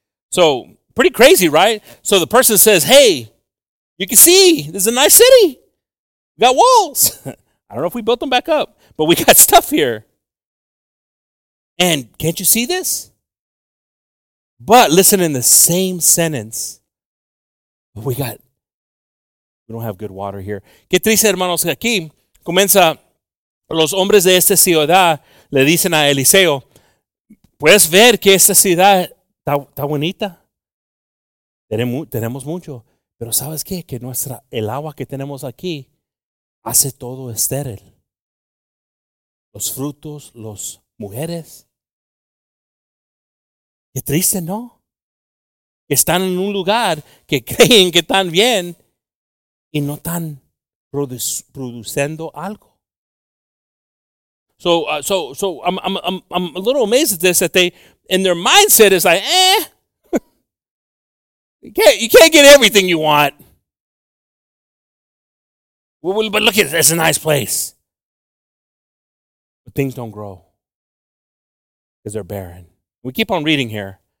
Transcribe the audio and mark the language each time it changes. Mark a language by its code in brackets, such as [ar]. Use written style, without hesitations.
[en] So pretty crazy, right? So the person says, hey, you can see this is a nice city. We got walls. I don't know if we built them back up, but we got stuff here. And can't you see this? But listen, in the same sentence, we don't have good water here. [es] Qué triste, hermanos, que aquí comienza los hombres de esta ciudad le dicen a Eliseo, puedes ver que esta ciudad está bonita. Tenemos mucho, pero ¿sabes qué? Que el agua que tenemos aquí hace todo estéril. Los frutos, las mujeres. Qué triste, ¿no? Están en un lugar que creen que están bien y no están produciendo algo. [en] So I'm a little amazed at this, that they, in their mindset, is like, eh. You can't get everything you want. Well, but look at it. It's a nice place. But things don't grow because they're barren. We keep on reading here.